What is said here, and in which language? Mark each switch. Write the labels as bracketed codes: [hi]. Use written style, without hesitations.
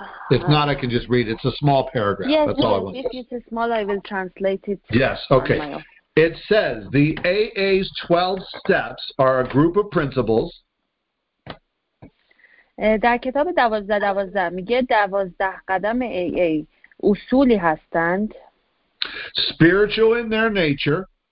[en] If not, I can just read it. It's a small paragraph. Yes, that's all I want. If it's small, I will translate it. Yes, okay. It says the AA's 12 steps are a group of principles. [fa] در کتاب 12-12 میگه 12 قدم AA اصولی هستند. [en] Spiritual in their nature.